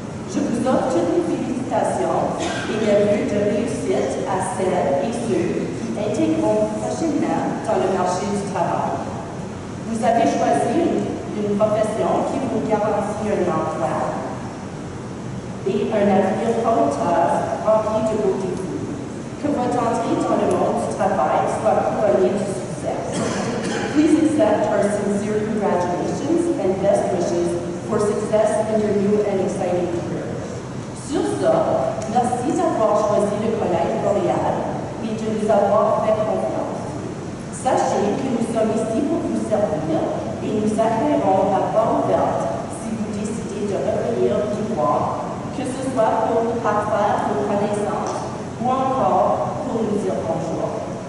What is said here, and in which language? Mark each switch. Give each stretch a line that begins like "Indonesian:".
French: Je vous offre toutes mes félicitations et mes vœux de réussite à celles et ceux qui intégreront prochainement dans le marché du travail. Vous avez choisi une profession qui vous garantit un emploi et un avenir prometteur rempli de beaux défis. Que votre entrée dans le monde du travail soit couronnée de succès.
English: Please accept our sincere congratulations and best wishes for success in your new and exciting career.
French: Sur ce, merci d'avoir choisi le Collège Boréal et de nous avoir fait confiance. Sachez que nous sommes ici pour vous servir et nous accueillerons la porte ouverte si vous décidez de revenir du droit, que ce soit pour parfaire vos connaissances ou encore pour nous dire bonjour.